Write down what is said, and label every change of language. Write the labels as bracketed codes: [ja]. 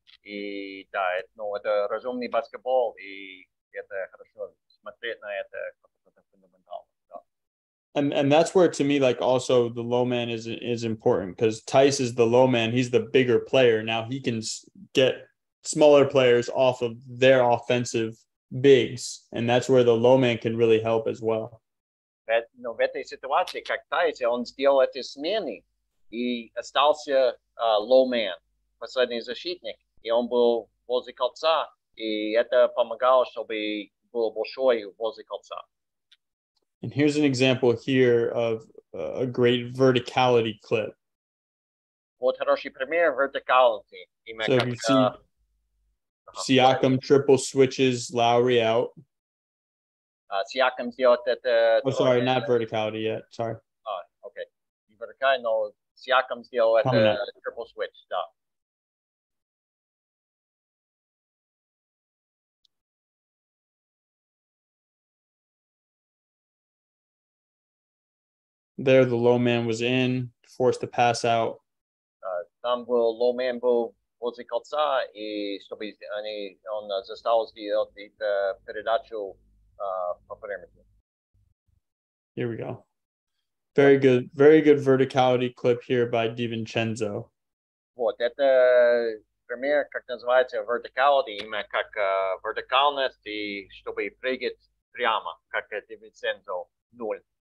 [ru] И, да, это, ну, это разумный баскетбол, и это хорошо смотреть на это, как-то фундаментально, да. [en] And that's where, to me, like, also the low man is important, because Tice is the low man, he's the bigger player. Now he can get smaller players off of their offensive bigs, and that's where the low man can really help as well. But no, [ru] в этой ситуации, как Тайсе, он сделал эти смены и остался low man, последний защитник, и он был возле кольца, и это помогало, чтобы был большой возле кольца. [en] And here's an example here of a great verticality clip. [ru] Вот хороший пример verticality. [en] So if you see. Siakam triple switches Lowry out. [ru] Siakam делает это... [en] Oh, sorry, not verticality yet. Sorry. Okay. Verticality, no. Siakam [ru] делает это [en] triple switch. [ru] Да. [en] There, the low man was in, forced to pass out. [ru] Там был low man был... возле кольца, и чтобы они, он застал сделать передачу по периметру. [en] Here we go. Very good verticality clip here by DiVincenzo. [ru] Вот, это пример, как называется, verticality, именно как вертикальность, и чтобы прыгать прямо, как DiVincenzo 0.